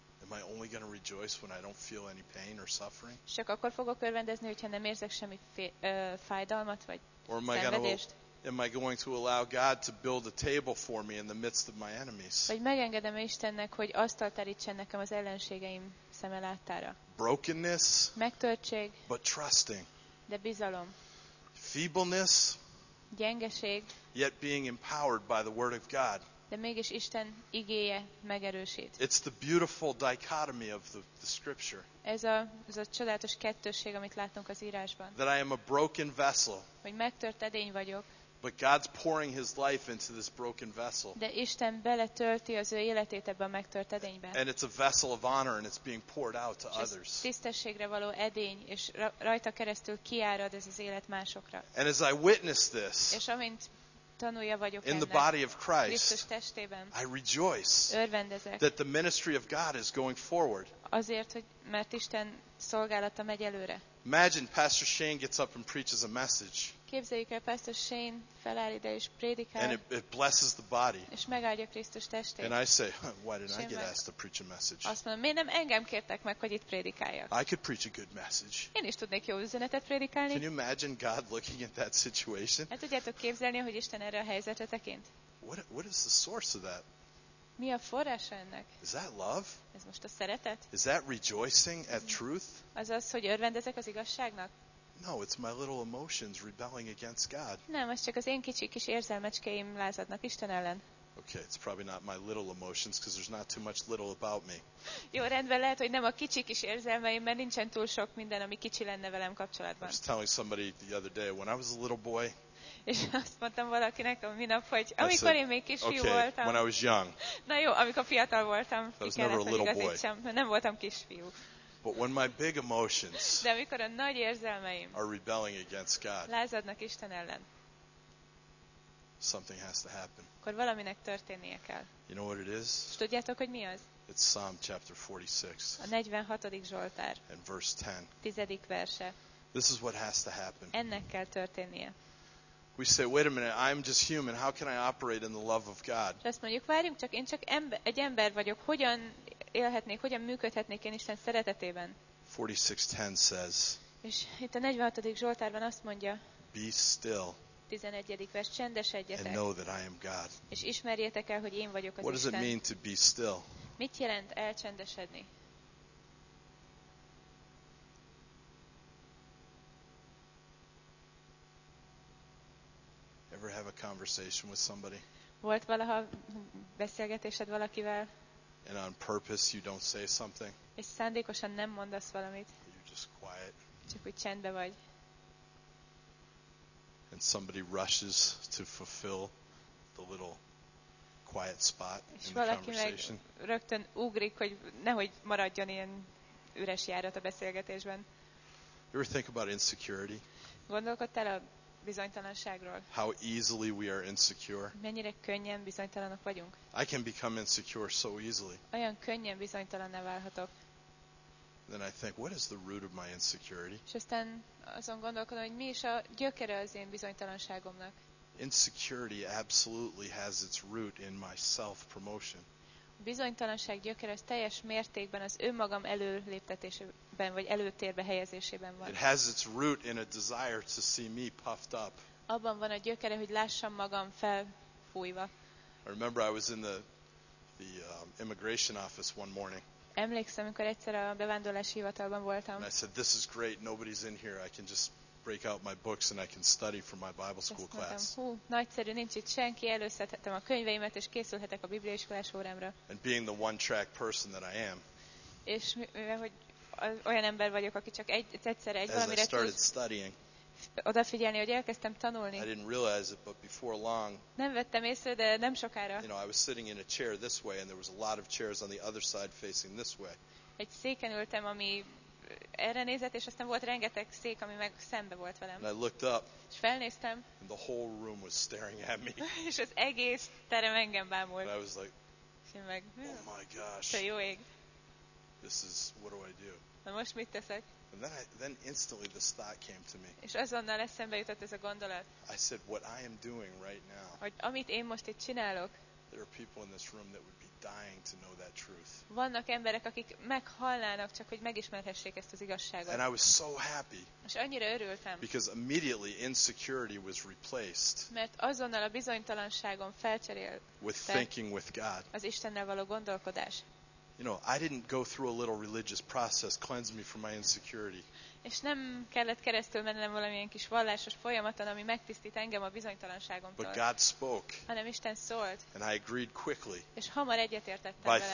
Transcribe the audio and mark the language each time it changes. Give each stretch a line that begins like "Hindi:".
English: Am I only going to rejoice when I don't feel any pain or suffering?
Hungarian: Csak akkor fogok örvendezni, hogyha nem érzek semmi fájdalmat vagy szenvedést.
English: Am I going to allow God to build a table for me in the midst of my enemies?
Hungarian: Vagy megengedem Istennek, hogy asztalt terítsen nekem az ellenségeim szeme láttára.
English: Brokenness,
Hungarian: megtörtség,
English: but trusting,
Hungarian: de bizalom.
English: Feebleness,
Hungarian: gyengeség,
English: yet being empowered by the word of God.
Hungarian: De mégis Isten igéje megerősít.
English: It's the beautiful dichotomy of the scripture.
Hungarian: Ez a csodálatos kettősség, amit látunk az írásban.
English: That I am a broken vessel.
Hungarian: Hogy megtört edény vagyok.
English: But God's pouring his life into this broken vessel.
Hungarian: De Isten beletölti az ő életét ebbe a megtört edénybe.
English: And it's a vessel of honor and it's being poured out to others.
Hungarian: Tisztességre való edény, és rajta keresztül kiárad ez az élet másokra.
English: And as I witness this,
Hungarian: és amint tanulja vagyok
English: in the body of Christ,
Hungarian: Krisztus testében,
English: I rejoice,
Hungarian: örvendezek,
English: that the ministry of God is going forward.
Hungarian: Azért, hogy mert Isten szolgálata megy előre.
English: Imagine Pastor Shane gets up and preaches a message.
Hungarian: Képzeljük el, Pastor Shane feláll ide és prédikál.
English: And it blesses the body.
Hungarian: És megáldja Krisztus testét.
English: And I say, why didn't I get asked to preach a message?
Hungarian: Azt mondom, miért nem engem kértek meg, hogy itt prédikáljak?
English: I could preach a good message.
Hungarian: Én is tudnék jó üzenetet prédikálni.
English: Can you imagine God looking at that situation?
Hungarian: El tudjátok képzelni, hogy Isten erre a helyzetre tekint?
English: What is the source of that?
Hungarian: Mi a forrása ennek?
English: Is that love?
Hungarian: Ez most a szeretet?
English: Is that rejoicing at truth?
Hungarian: Az az, hogy örvendezek az igazságnak?
English: No, it's my little emotions rebelling against God.
Hungarian: Nem, ez csak az én kicsi kis érzelmecskéim lázadnak Isten ellen.
English: Okay, it's probably not my little emotions because there's not too much little about me.
Hungarian: Jó, rendben, lehet, hogy nem a kicsi kis érzelmeim, mert nincsen túl sok minden, ami kicsi lenne velem kapcsolatban.
English: I was telling somebody the other day when I was a little boy.
Hungarian: És azt mondtam valakinek a minap, hogy amikor én még kisfiú voltam.
English: When I was young.
Hungarian: Na jó, amikor fiatal voltam, nem voltam kisfiú.
English: But when my big emotions,
Hungarian: de amikor a nagy érzelmeim,
English: are rebelling against God,
Hungarian: lázadnak Isten ellen,
English: something has to happen.
Hungarian: Akkor valaminek történnie kell.
English: You know what it is?
Hungarian: S tudjátok, hogy mi az?
English: It's Psalm chapter 46.
Hungarian: A 46. Zsoltár.
English: And verse 10.
Hungarian: 10. verse.
English: This is what has to happen.
Hungarian: Ennek kell történnie.
English: We say, wait a minute, I'm just human. How can I operate in the love of God?
Hungarian: Azt mondjuk, várjunk csak, én csak egy ember vagyok. Hogyan élhetnék, hogyan működhetnék én Isten szeretetében?
English: 46:10 says.
Hungarian: És itt a 46. Zsoltárban azt mondja.
English: Be still.
Hungarian: 11. vers, csendesedjetek.
English: And know that I am God.
Hungarian: És ismerjétek el, hogy én vagyok az Isten.
English: What does it mean to be still?
Hungarian: Mit jelent elcsendesedni?
English: Ever have a conversation with somebody?
Hungarian: Volt valaha beszélgetésed valakivel?
English: And on purpose you don't say something?
Hungarian: És szándékosan nem mondasz valamit?
English: You're just quiet.
Hungarian: Csak úgy csendben vagy.
English: And somebody rushes to fulfill the little quiet spot in the conversation.
Hungarian: És valaki rögtön ugrik, hogy nehogy maradjon ilyen üres járat a beszélgetésben.
English: You ever think about insecurity?
Hungarian: Gondolkodtál a bizonytalanságról?
English: How easily we are insecure.
Hungarian: Mennyire könnyen bizonytalanok vagyunk.
English: I can become insecure so easily.
Hungarian: Olyan könnyen bizonytalanná válhatok.
English: Then I think, what is the root of my insecurity?
Hungarian: És aztán azon gondolkodom, hogy mi is a gyökere az én bizonytalanságomnak.
English: Insecurity absolutely has its root in my self-promotion.
Hungarian: Bizonytalanság gyökere az teljes mértékben az önmagam előléptetésében vagy előtérbe helyezésében van.
English: It has its root in a desire to see me puffed up.
Hungarian: Abban van a gyökere, hogy lássam magam felfújva.
English: I remember I was in the the immigration office one morning.
Hungarian: Emlékszem, amikor egyszer a bevándorlási hivatalban voltam.
English: And I said, this is great, nobody's in here, I can just break out my books and I can study for my Bible school class.
Hungarian: Nagyszerű, nincs itt senki, előszedhetem a könyveimet és készülhetek a bibliaiskolás órámra.
English: And being the one track person that I am.
Hungarian: És mivel hogy olyan ember vagyok, aki csak egyszerre egy valamire készül. Odafigyelni, hogy elkezdtem tanulni.
English: I didn't realize it, but before long.
Hungarian: Nem vettem észre, de nem sokára.
English: You know, I was sitting in a chair this way and there was a lot of chairs on the other side facing this way.
Hungarian: Egy széken ültem, ami erre nézett, és aztán volt rengeteg szék, ami meg szembe volt velem.
English: And I looked up.
Hungarian: És felnéztem.
English: And the whole room was staring at me.
Hungarian: És az egész terem engem bámult.
English: And I was like, oh my gosh.
Hungarian: Te jó ég.
English: This is, what do I do?
Hungarian: Na most mit teszek?
English: And then instantly this thought came to me.
Hungarian: És azonnal eszembe jutott ez a gondolat.
English: I said, what I am doing right now.
Hungarian: Hogy amit én most itt csinálok.
English: There are people in this room that would be dying to know that truth.
Hungarian: Vannak emberek, akik meghalnának csak hogy megismerhessék ezt az igazságot.
English: And I was so happy.
Hungarian: És annyira örültem.
English: Because immediately insecurity was replaced.
Hungarian: Mert azonnal a bizonytalanságom felcserélt.
English: With thinking with God.
Hungarian: Az Istennel való gondolkodás.
English: You know, I didn't go through a little religious process cleanse me from my insecurity.
Hungarian: És nem kellett keresztül mennem valamilyen kis vallásos folyamaton, ami megtisztít engem a bizonytalanságomtól.
English: But God spoke.
Hungarian: Hanem Isten szólt.
English: And I agreed quickly.
Hungarian: És hamar egyetértettem vele.